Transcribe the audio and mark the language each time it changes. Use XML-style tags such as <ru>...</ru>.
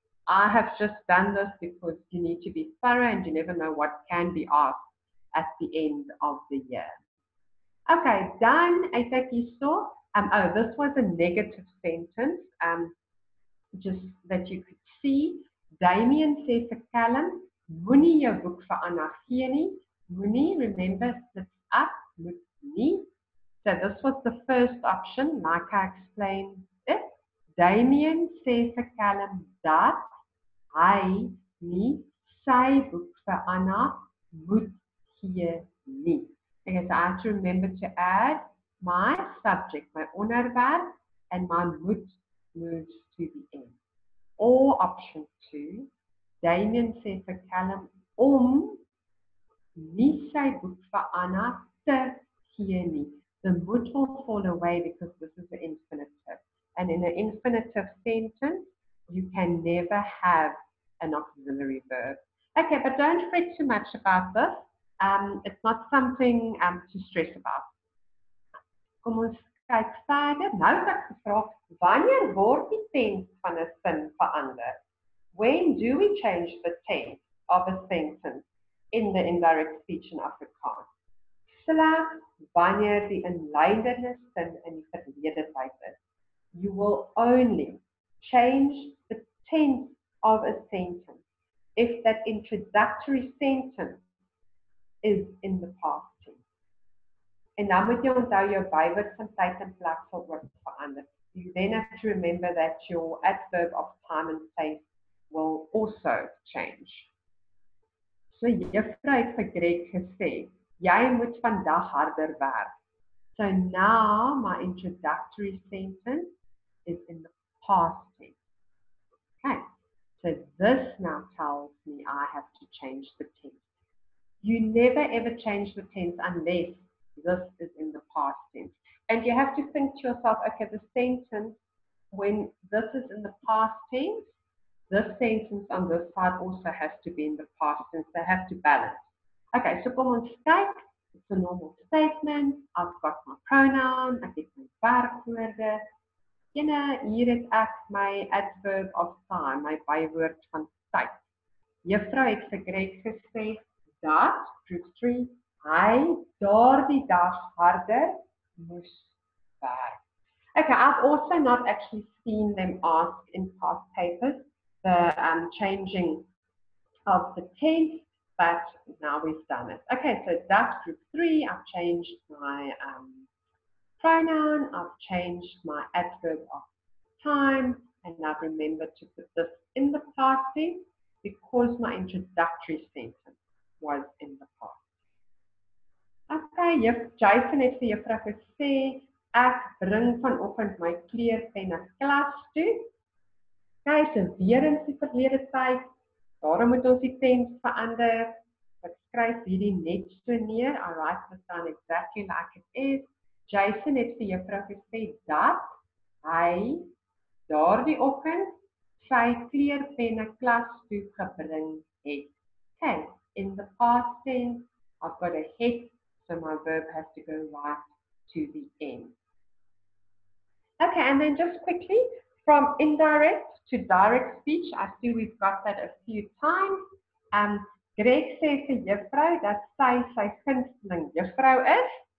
<en>I have just done this because you need to be thorough and you never know what can be asked at the end of the year. Okay, done. I think you saw. This was a negative sentence, just that you could see. Damien says to Callum,</en> <af>Moenie jou boek verander gee nie.</af> <en>Moenie, remember, sit up, moet nie. So this was the first option, like I explained it.</en> <af>Damien sê vir Callum dat hy nie sy boek verander moet gee nie.</af> <en>I guess I have to remember to add my subject, my onderwerp, and my moet moves to the end. Or option two,</en> <af>Damien sê vir Callum om nie sy boek verander te gee nie.</af> <en>The moet will fall away because this is the infinitive. And in an infinitive sentence, you can never have an auxiliary verb. Okay, but don't fret too much about this. It's not something to stress about.</en> <af>Kom ons kyk verder. Nou het ek gevra, wanneer word die tense van 'n sin verander?</af> <en>When do we change the tense of a sentence in the indirect speech in Afrikaans?</en> <af>Slegs wanneer die inleidende sin in die verlede tyd is.</af> <en>You will only change the tense of a sentence if that introductory sentence is in the past tense.</en> <af>En dan moet jy onthou jou bywoord van tyd en plek sal ook verander.</af> <en>You then have to remember that your adverb of time and place will also change.</en> <af>So juffrou het vir Greg gesê, jy moet vandag harder werk.</af> <en>So now my introductory sentence is in the past tense. Okay. So this now tells me I have to change the tense. You never ever change the tense unless this is in the past tense. And you have to think to yourself, okay, the sentence, when this is in the past tense, this sentence on this side also has to be in the past tense. They have to balance. Okay, so</en> <af>kom ons kyk,</af> <en>it's a normal statement. I've got my pronoun, I get my werkwoorde. You know,</en> <af>hier het ek my</af> <en>adverb of time, my bywoord van tyd.</en> <af>Juffrou het vir Greg gesê, dat, group 3, hy daar die dag harder moes werk.</af> <en>Okay, I've also not actually seen them ask in past papers the changing of the tense, but now we've done it. Okay, so that, group 3, I've changed my pronoun, I've changed my adverb of time, and I've remembered to put this in the past tense because my introductory sentence was in the past.</en> <af>Okay, Jason het vir juffrou gesê, ek bring vanoggend my kleurpenne klas toe. Okay, so weer in die verlede tyd, daarom moet ons die tense verander. Ek skryf hierdie net so neer,</af> <en>I write this down exactly like it is.</en> <af>Jason het vir juffrou gesê, dat hy daardie oggend sy kleurpenne klas toe gebring het.</af> <en>Okay. In the past tense, I've got a het, so my verb has to go right to the end. Okay, and then just quickly, from indirect to direct speech, I see we've got that a few times. Greg says to</en> <af>juffrou, dat sy sy kindling juffrou is.</af>